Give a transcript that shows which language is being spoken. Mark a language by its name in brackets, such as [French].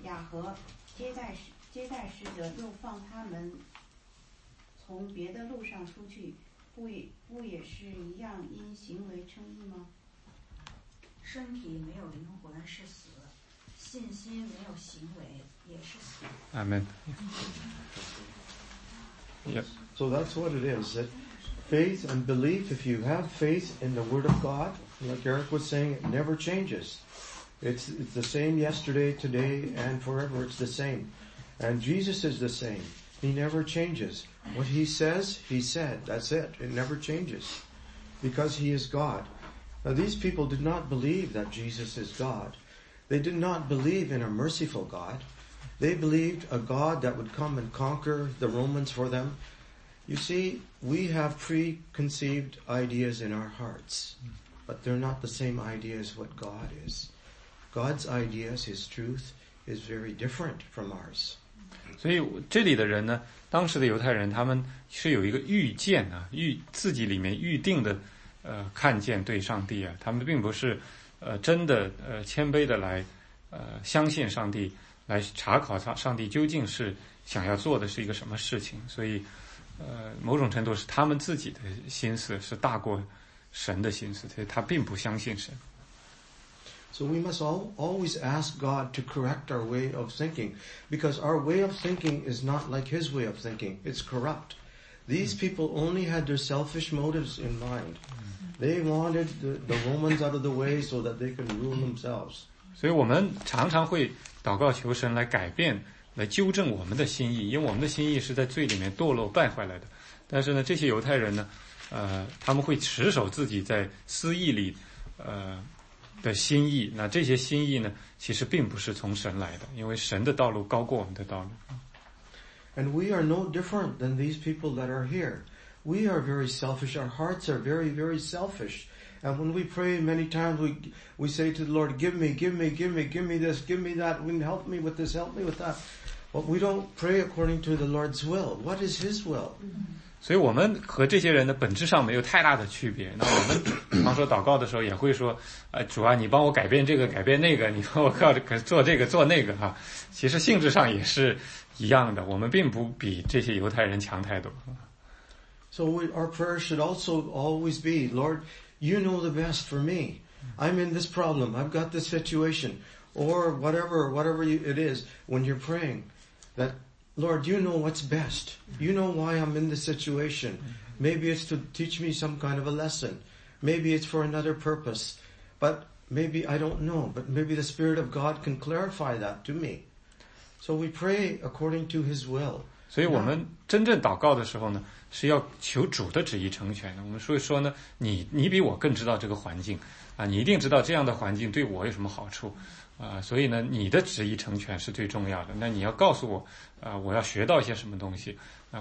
[Chinese] 雅合接待使者，又放他们从别的路上出去，不也是一样因行为称义吗？身体没有灵魂是死，信心没有行为也是死。阿门。 [English] So that's what it is. That faith and belief, if you have faith in the Word of God,like Eric was saying, it never changes. It's the same yesterday, today, and forever. It's the same. And Jesus is the same. He never changes. What he says, he said. That's it. It never changes. Because he is God. Now these people did not believe that Jesus is God. They did not believe in a merciful God. They believed a God that would come and conquer the Romans for them. You see, we have preconceived ideas in our hearts. But they're not the same idea as what God is. God's ideas, His truth, is very different from ours. [Chinese] 所以这里的人呢，当时的犹太人，他们是有一个预见啊，自己里面预定的，看见对上帝啊，他们并不是，真的，谦卑的来，相信上帝，来查考上帝究竟是想要做的是一个什么事情。所以，某种程度是他们自己的心思是大过神的心思，他并不相信神。 [English] So we must always ask God to correct our way of thinking, because our way of thinking is not like His way of thinking. It's corrupt. These people only had their selfish motives in mind. They wanted the Romans out of the way so that they can rule themselves. [Chinese] 所以我们常常会祷告求神来改变，来纠正我们的心意，因为我们的心意是在罪里面堕落败坏来的。但是呢，这些犹太人呢？他们会持守自己在私意里的心意，那这些心意呢其实并不是从神来的，因为神的道路高过我们的道路。 [English] And we are no different than these people that are here. We are very selfish. Our hearts are very, very selfish. And when we pray many times, we say to the Lord, give me, give me, give me, give me this, give me that, help me with this, help me with that. But we don't pray according to the Lord's will. What is His will? Mm-hmm. [Chinese] 所以我们和这些人的本质上没有太大的区别。那我们常说祷告的时候也会说，主啊，你帮我改变这个改变那个，你帮我靠着做这个做那个啊。其实性质上也是一样的，我们并不比这些犹太人强太多。 [English] So our prayer should also always be, Lord, you know the best for me. I'm in this problem. I've got this situation. Or whatever it is when you're praying that,Lord, you know what's best. You know why I'm in this situation. Maybe it's to teach me some kind of a lesson. Maybe it's for another purpose. But maybe I don't know. But maybe the Spirit of God can clarify that to me. So we pray according to His will. [Chinese] 所以我们真正祷告的时候呢，是要求主的旨意成全的。我们所以说呢，你比我更知道这个环境啊，你一定知道这样的环境对我有什么好处啊。所以呢，你的旨意成全是最重要的。那你要告诉我啊，我要学到一些什么东西啊？